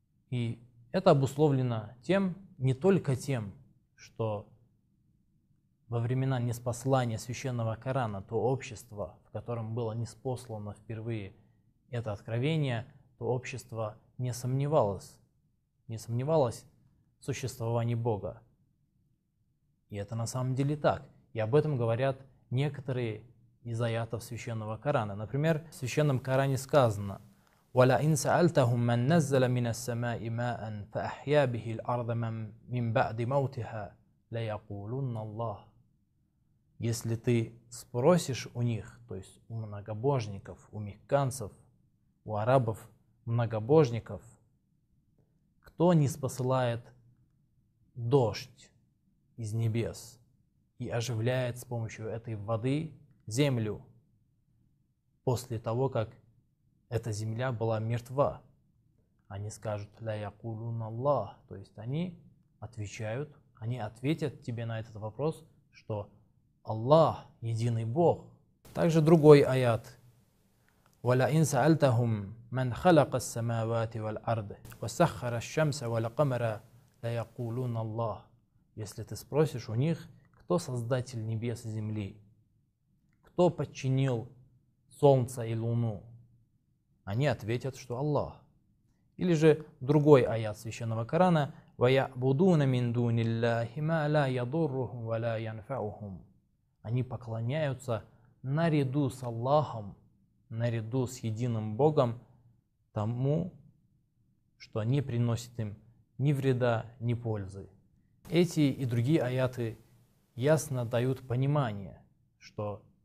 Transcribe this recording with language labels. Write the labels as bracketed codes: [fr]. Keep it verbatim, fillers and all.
[ru] И это обусловлено тем, не только тем, что во времена неспослания Священного Корана то общество, в котором было неспослано впервые это откровение, то общество не сомневалось, не сомневалось в существовании Бога. И это на самом деле так. И об этом говорят некоторые из аятов Священного Корана. Например, в Священном Коране сказано [ar] «وَلَئِنْ سَأَلْتَهُمْ مَنْ نَزَّلَ مِنَ السَّمَاءِ مَاءً فَأَحْيَا بِهِ الْأَرْضَ مِنْ بَعْدِ مَوْتِهَا لَيَقُولُنَّ اللَّهُ». [ru] Если ты спросишь у них, то есть у многобожников, у мекканцев, у арабов, многобожников, кто не спосылает дождь из небес и оживляет с помощью этой воды землю после того, как эта земля была мертва? Они скажут [ar] «Ля якулун Аллах», [ru] то есть они отвечают, они ответят тебе на этот вопрос, что Аллах, единый Бог. Также другой аят. [ar] وَلَئِنْ سَأَلْتَهُمْ مَنْ خَلَقَ السَّمَاوَاتِ وَالْأَرْضَ وَسَخَّرَ الشَّمْسَ وَالْقَمَرَ لَيَقُولُونَ اللَّهُ. [ru] Если ты спросишь у них, кто создатель небес и земли, кто подчинил солнце и луну, они ответят, что Аллах. Или же другой аят Священного Корана [ar] وَيَعْبُدُونَ مِنْ دُونِ اللَّهِ مَا لَا يَضُرُّهُمْ وَلَا يَنْفَعُهُمْ. [ru] Они поклоняются наряду с Аллахом, наряду с единым Богом, тому, что не приносит им ни вреда, ни пользы. Эти и другие аяты ясно дают понимание, что